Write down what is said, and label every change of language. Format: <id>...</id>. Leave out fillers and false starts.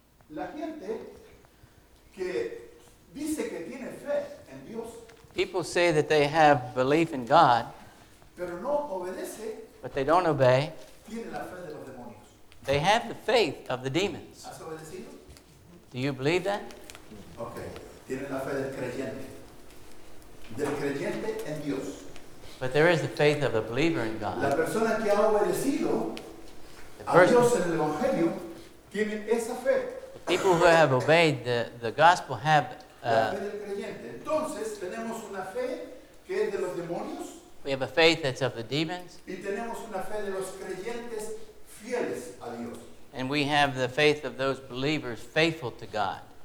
<es>La gente que dice que tiene fe en Dios.</es> <en>People say that they have belief in God.</en> <es>Pero no obedece.</es> <en>But they don't obey.</en> <es>Tiene la fe de los demonios.</es> <en>They have the faith of the demons.</en> <es>¿Has obedecido?</es> <en>Do you believe that?</en> <es>Okay. Tiene la fe del creyente. Del creyente en Dios.</es> <en>But there is the faith of a believer in God.</en> <es>La persona que ha obedecido a Dios en el Evangelio tiene esa fe.</es> <en>The people who have obeyed the gospel have</en> <es>la fe del creyente. Entonces, tenemos una fe que es de los demonios.</es> <en>We have a faith that's of the demons.</en> <es>Y tenemos una fe de los creyentes fieles a Dios.</es> <en>And we have the faith of those believers faithful to God.</en>